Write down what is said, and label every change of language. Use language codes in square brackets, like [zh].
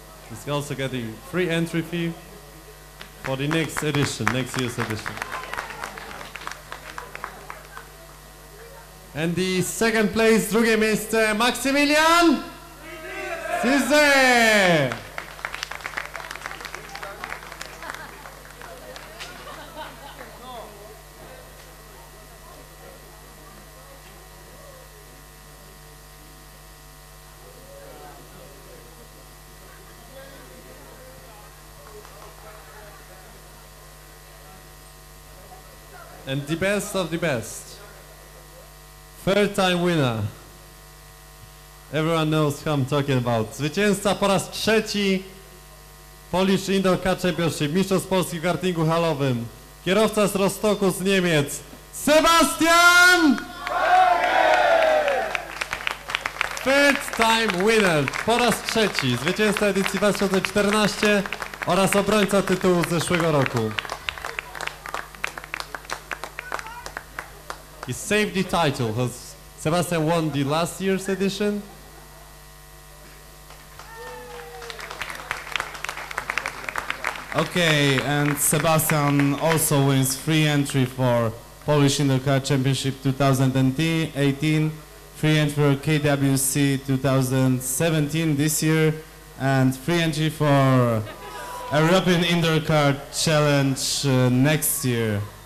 [en] He's also getting free entry fee for the next edition, next year's edition. And the second place, [pl] drugie miejsce, [en] Maximilian Cizze! And the best of the best, third time winner, everyone knows who I'm talking about. [pl] Zwycięzca po raz trzeci Polish Indoor Car Championship, mistrzostw Polski w kartingu halowym, kierowca z Rostocku z Niemiec, Sebastian! [en] Third time winner, [pl] po raz trzeci, zwycięzca edycji 2014 oraz obrońca tytułu zeszłego roku. [en] He saved the title, because Sebastian won the last year's edition. Okay, and Sebastian also wins free entry for Polish Indoor Car Championship 2018, free entry for KWC 2017 this year, and free entry for European Indoor Car Challenge next year.